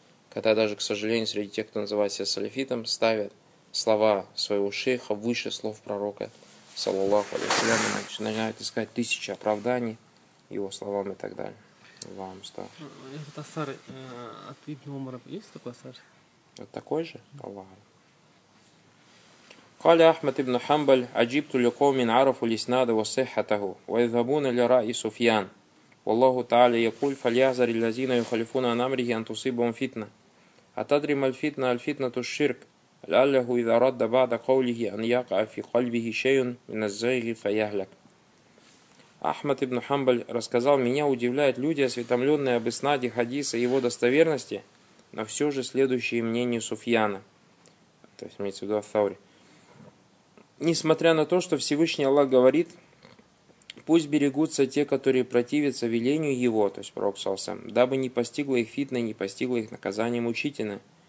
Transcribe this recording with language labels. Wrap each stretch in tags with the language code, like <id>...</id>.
<ru>Когда даже, к сожалению, среди тех, кто называет себя салафитом, ставят слова своего шейха выше слов пророка, саллаллаху алейхи ва саллям, начинают искать тысячи оправданий его словам и так далее. Вам стар. Этот асар от Ибн Умара, есть такой асар? Вот такой же? Аллах.</ru> <ar>قال أحمد بن حنبل عجبت لقوم عرفوا الإسناد وصحته ويذهبون لرأي سفيان والله تعالى يقول فليحذر الذين يخالفون عن أمره أن تصيبهم فتنة أتدري ما الفتنة؟ الفتنة الشرك لعله إذا رد بعد قوله أن يقع في قلبه شيء من الزيغ فيهلك.</ar> <ru>أحمد بن حنبل рассказал: меня удивляют люди, осведомленные об иснаде хадиса и его достоверности, но все же следующее мнение Суфьяна, то есть имеется в виду Ас-Саури. Несмотря на то, что Всевышний Аллах говорит, пусть берегутся те, которые противятся велению Его, то есть пророк Саусам, дабы не постигла их фитна и не постигла их наказание мучительно.</ru>